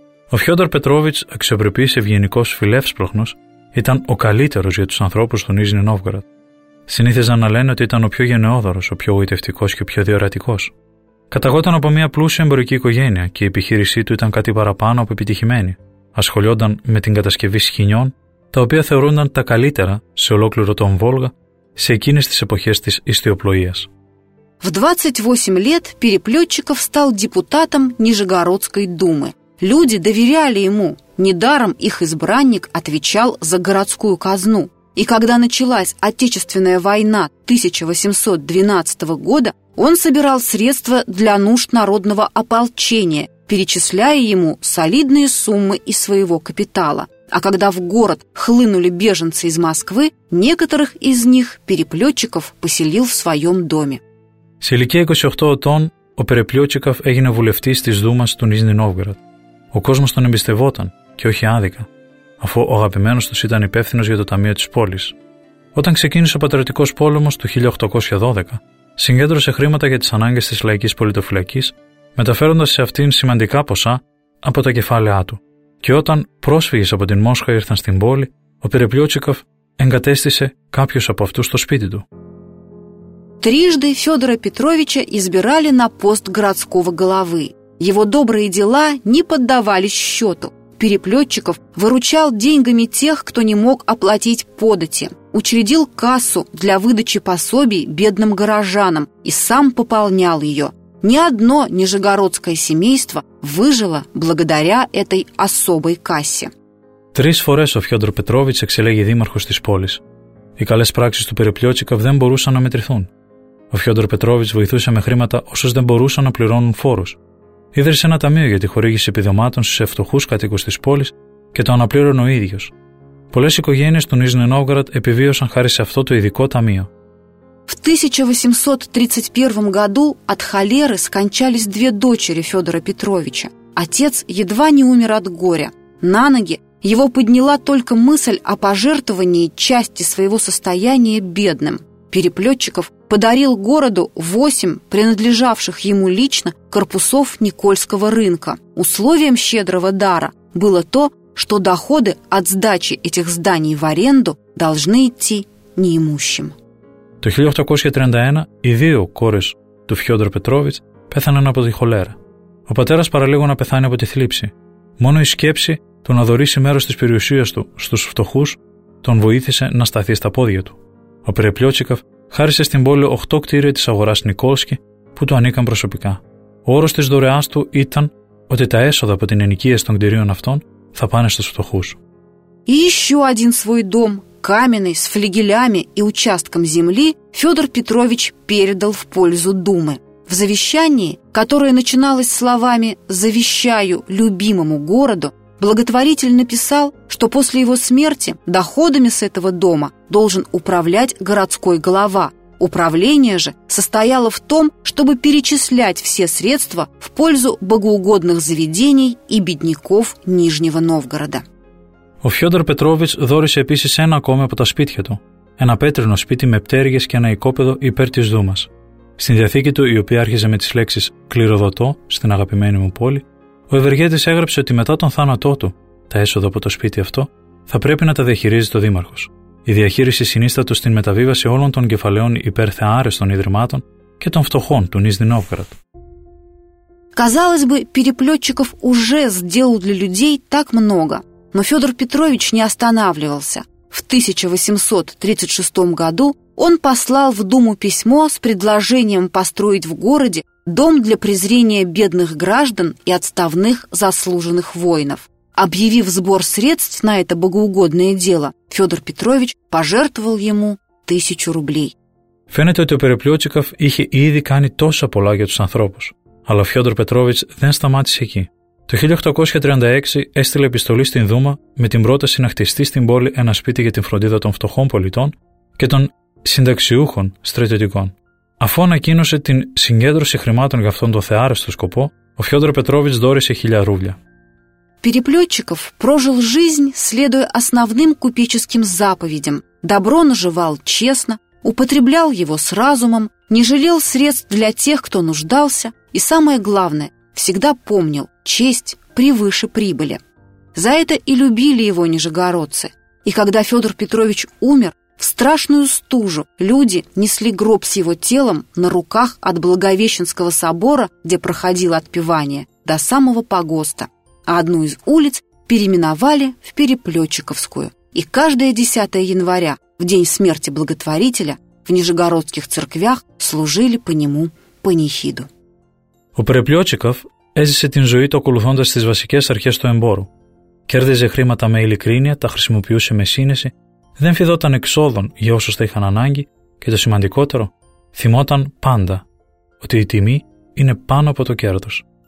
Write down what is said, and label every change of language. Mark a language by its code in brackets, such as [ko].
[el] Ο Фёдор Петрович, αξιοπρεπής, ευγενικός, φιλεύσπροχνος, ήταν ο καλύτερος για τους ανθρώπους του Νίζνη Νόβγραντ. Συνήθιζαν να λένε ότι ήταν ο πιο γενναιόδωρος, ο πιο γοητευτικός και ο πιο διορατικός. Καταγόταν από μια πλούσια εμπορική οικογένεια και η επιχείρησή του ήταν κάτι παραπάνω από επιτυχημένη. Ασχολιόταν με την κατασκευή σχοινιών, τα οποία θεωρούνταν τα καλύτερα σε ολόκληρο τον Βόλγα σε εκείνες τις εποχές της ιστιοπλοείας. [ru] В 28 лет Переплётчиков стал депутатом Нижегородской думы. Люди доверяли ему. Недаром их избранник отвечал за городскую казну. И когда началась Отечественная война 1812 года, он собирал средства для нужд народного ополчения, перечисляя ему солидные суммы из своего капитала. А когда в город хлынули беженцы из Москвы, некоторых из них, переплетчиков, поселил в своем доме. [el] С ηλικία 28 ετών, ο Переплетчиков έγινε βουλευτής της Δούμας του Νίζνη Νόβγκραντ. Ο κόσμος τον εμπιστευόταν, και όχι άδικα, αφού ο αγαπημένος τους ήταν υπεύθυνος για το ταμείο της πόλης. Όταν ξεκίνησε ο Πατριωτικός Πόλεμος του 1812, συγκέντρωσε χρήματα για τις ανάγκες της λαϊκής πολιτοφυλακής, μεταφέροντας σε αυτήν σημαντικά ποσά από τα κεφάλαιά του. Και όταν πρόσφυγες από την Μόσχα ήρθαν στην πόλη, ο Переплетчиков εγκατέστησε κάποιους από αυτούς στο σπίτι του. [ru] Трижды Федора Петровича избирали на пост городского главы. Его добрые дела не поддавались счету. Переплетчиков выручал деньгами тех, кто не мог оплатить подати. Учредил кассу для выдачи пособий бедным горожанам и сам пополнял ее. Ни одно нижегородское семейство выжило благодаря этой особой кассе. [el] Трис форес ο Федор Петрович εξελέγει δήμαρχος της πόλης. Οι καλές πράξεις του Переплетчиков δεν μπορούσαν να μετρηθούν. Ο Φιόντορ Πετρόβιτς βοηθούσε με χρήματα όσους δεν μπορούσαν να πληρώνουν φόρους. Ίδρυσε ένα ταμείο για τη χορήγηση επιδομάτων στους φτωχούς κατοίκους της πόλης και το αναπλήρωνε ο ίδιος. Πολλές οικογένειες του Νίζνη Νόβγκραντ επιβίωσαν χάρη σε αυτό το ειδικό ταμείο. [ru] В 1831 году от холеры скончались две дочери Федора Петровича. Отец едва не умер от горя. На ноги его подняла только мысль о пожертвовании части своего состояния бедным. Переплетчиков подарил городу 8 принадлежавших ему лично корпусов Никольского рынка. Условием щедрого дара было то, что доходы от сдачи этих зданий в аренду должны идти неимущим. [el] Το 1831 οι δύο κόρες του Φιόντορ Πετρόβιτς πέθαναν από τη χολέρα. Ο πατέρας παραλίγο να πεθάνει από τη θλίψη. Μόνο η σκέψη του να δωρήσει μέρος της περιουσίας του στους φτωχούς τον βοήθησε να σταθεί στα πόδια του. Ο Переплетчиков χάρισε στην πόλη 8 κτίρια της αγοράς Νικόλσκη που του ανήκαν προσωπικά. Ο όρος της δωρεάς του ήταν ότι τα έσοδα από την ενοικίαση των κτιρίων αυτών θα πάνε στους φτωχούς. [ru] Ищу один свой дом, каменный, с флигелями и участком земли, Федор Петрович передал в пользу Думы. В завещании, которое начиналось словами «Завещаю любимому городу», благотворитель написал, что после его смерти доходами с этого дома должен управлять городской глава. Управление же состояло в том, чтобы перечислять все средства в пользу богоугодных заведений и бедняков Нижнего Новгорода. [el] Ο Φιόντορ Πετρόβιτς δώρησε επίσης ένα ακόμα από τα σπίτια του, ένα πέτρινο σπίτι με πτέρυγες και ένα οικόπεδο υπέρ της Δούμας. Στην διαθήκη του, η οποία άρχιζε με τις λέξεις «Κληροδοτώ» στην αγαπημένη μου πόλη, ο Ευεργέτης έγραψε ότι μετά τον θάνατό του, τα έσοδα από το σπίτι αυτό θα πρέπει να τα διαχειρίζει το Δήμαρχος. Η διαχείριση συνίστατο στην μεταβίβαση όλων των κεφαλαίων υπέρ θεάρεστων ιδρυμάτων και των φτωχών του Νίζνη Νόβγκραντ. [ru] Казалось бы, Переплетчиков уже сделал для людей так много. Но Федор Петрович не останавливался. В 1836 году он послал в Думу письмо с предложением построить в городе дом для презрения бедных граждан и отставных заслуженных воинов. Объявив сбор средств на это богоугодное дело, Федор Петрович пожертвовал ему 1000 рублей. [el] Фенето ότι ο Переплетчиков είχε ήδη κάνει τόσα πολλά για τους ανθρώπους. Αλλά Федор Петрович δεν σταμάτησε εκεί. Το 1836 έστειλε επιστολή στην Δούμα με την πρόταση να χτιστεί στην πόλη ένα σπίτι για την φροντίδα των φτωχών πολιτών και των συνταξιούχων στρατιωτικών. Αφού ανακοίνωσε την συγκέντρωση χρημάτων για αυτόν τον θεάρεστο σκοπό, ο Φιόντορ Πετρόβιτς δώρησε 1000 ρούβλια. [ru] Переплетчиков прожил жизнь, следуя основным купеческим заповедям. Добро наживал честно, употреблял его с разумом, не жалел средств для тех, кто нуждался, и самое главное, всегда помнил, честь превыше прибыли. За это и любили его нижегородцы. И когда Федор Петрович умер, в страшную стужу люди несли гроб с его телом на руках от Благовещенского собора, где проходило отпевание, до самого погоста. А одну из улиц переименовали в Переплетчиковскую. И каждое 10 января, в день смерти благотворителя, в нижегородских церквях служили по нему панихиду. У Переплетчиков [el] Έζησε την ζωή του ακολουθώντας τις βασικές αρχές του εμπόρου. Κέρδιζε χρήματα με ειλικρίνεια, τα χρησιμοποιούσε με σύνεση, δεν φιδόταν εξόδων για όσους τα είχαν ανάγκη και το σημαντικότερο, θυμόταν πάντα ότι η τιμή είναι πάνω από το κέρδος.